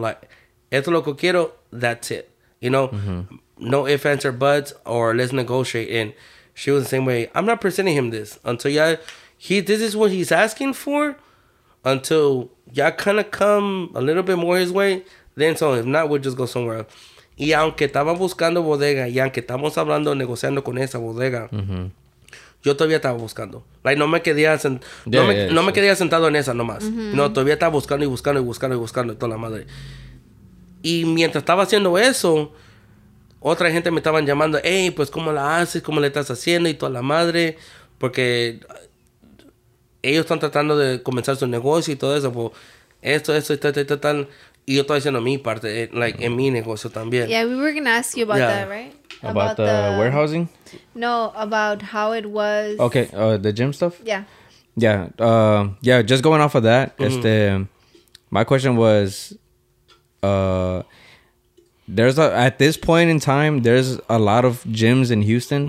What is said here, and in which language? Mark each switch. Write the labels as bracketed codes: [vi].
[en] Like, [es] esto lo que quiero, [en] that's it. You know? Mm-hmm. No ifs, ands, or buts, or let's negotiate. And she was the same way. I'm not presenting him this until y'all. This is what he's asking for. Until y'all kind of come a little bit more his way. Then so if not, we'll just go somewhere else. [es] Y aunque estaba buscando bodega, y aunque estamos hablando, negociando con esa bodega, yo todavía estaba buscando. Like no me quedé sentado en esa nomás. Mm-hmm. No, todavía estaba buscando y buscando y buscando y buscando toda la madre. Y mientras estaba haciendo eso. Otra gente me estaban llamando, hey, pues, ¿cómo la haces? ¿Cómo le estás haciendo? Y toda la madre. Porque ellos están tratando de comenzar su negocio y todo eso. Pues, esto, tal. Y yo estoy haciendo mi parte, like, en mi negocio también. [en] Yeah, we were going to ask you about that, right? About the warehousing? No, about how it was. Okay, the gym stuff? Yeah. Yeah, just going off of that, my question was... at this point in time, there's a lot of gyms in Houston.